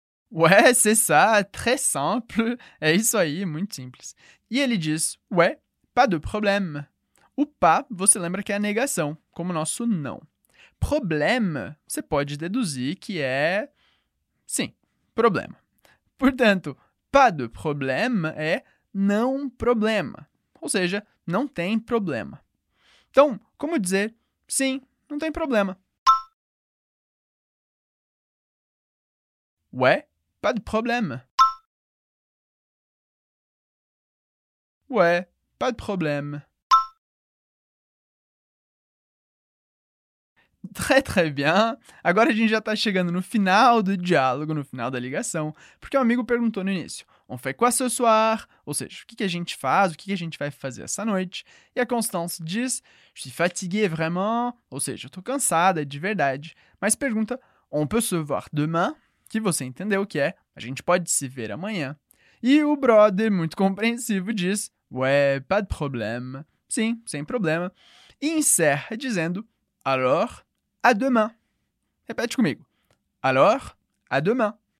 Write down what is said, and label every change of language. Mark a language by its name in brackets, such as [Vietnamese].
[French] Ouais, c'est ça, très simple. [Portuguese] É isso aí, muito simples. E ele diz, [French] ouais, pas de problème. [Portuguese] O pas, você lembra que é a negação, como o nosso não. Problème, você pode deduzir que é, sim, problema. Portanto, [French] pas de problème [Portuguese] é não problema, ou seja, não tem problema. Então, como dizer, sim, não tem problema. [French] Ouais. Pas de problème. Ouais, pas de problème. Très, très bien. [Portuguese] Agora a gente já está chegando no final do diálogo, no final da ligação, porque o amigo perguntou no início, [French] on fait quoi ce soir? [Portuguese] Ou seja, o que, que a gente faz, o que, que a gente vai fazer essa noite? E a Constance diz, [French] je suis fatiguée vraiment, [Portuguese] ou seja, eu tô cansada de verdade, mas pergunta, [French] on peut se voir demain? [Portuguese] Que você entendeu o que é, a gente pode se ver amanhã. E o brother, muito compreensivo, diz, [French] ouais, pas de problème. [Portuguese] Sim, sem problema. E encerra dizendo, [French] alors, à demain. [Portuguese] Repete comigo. [French] Alors, à demain.